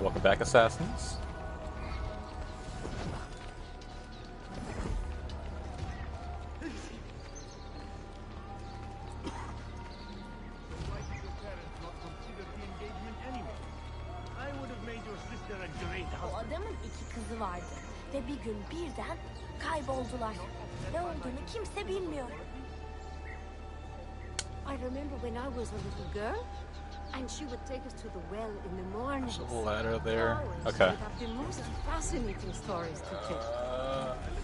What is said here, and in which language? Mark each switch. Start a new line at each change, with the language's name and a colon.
English: Welcome back, assassins. I would have made your sister a great husband.
Turkish: O adamın iki kızı vardı ve bir gün birden kayboldular. Ne olduğunu kimse bilmiyor.
English: I remember when I was a little girl. And she would take us to the well in the morning. There's a ladder there. Okay. We have the most fascinating stories to tell.